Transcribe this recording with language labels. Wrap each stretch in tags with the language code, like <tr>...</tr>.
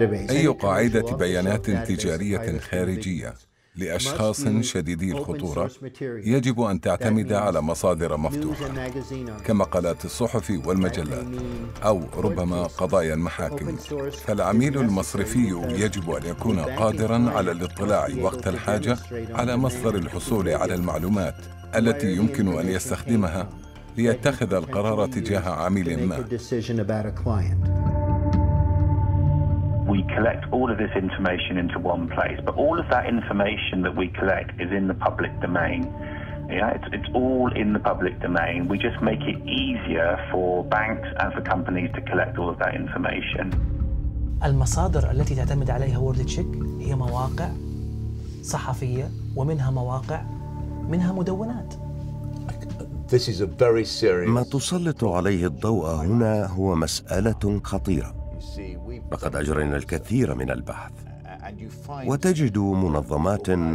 <ar>أي قاعدة بيانات تجارية خارجية لأشخاص شديدي الخطورة يجب أن تعتمد على مصادر مفتوحة كمقالات الصحف والمجلات أو ربما قضايا المحاكم. فالعميل المصرفي يجب أن يكون قادراً على الاطلاع وقت الحاجة على مصدر الحصول على المعلومات التي يمكن أن يستخدمها ليتخذ القرار تجاه عميل ما.</ar> <en>We collect all of this information into one place, but all of that information that we collect is in the public domain. Yeah, it's all in the public domain. We just make it easier for banks and for companies to collect all of that information.</en> <ar>المصادر التي تعتمد عليها وورد تشيك هي مواقع صحفية ومنها مواقع منها مدونات.</ar> <en>This is a very serious.</en> <ar>ما تسلط عليه الضوء هنا هو مسألة خطيرة. لقد أجرينا الكثير من البحث وتجد منظمات.</ar>